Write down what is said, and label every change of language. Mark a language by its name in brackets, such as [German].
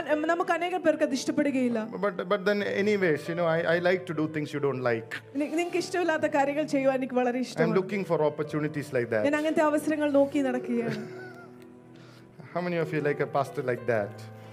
[Malayalam] നമുക്ക് അനേകർ പേർക്ക് അത് ഇഷ്ടപ്പെടുകയില്ല. [English] But then anyways, you know, I like to do things you don't like. [Malayalam] നിങ്ങൾക്ക് ഇഷ്ടമില്ലാത്ത കാര്യങ്ങൾ ചെയ്യാൻ എനിക്ക് വളരെ ഇഷ്ടമാണ്. [English] I'm looking for opportunities like that. [Malayalam] ഞാൻ അങ്ങനത്തെ അവസരങ്ങൾ നോക്കി നടക്കുകയാണ്. [English] How many of you like a pastor like that?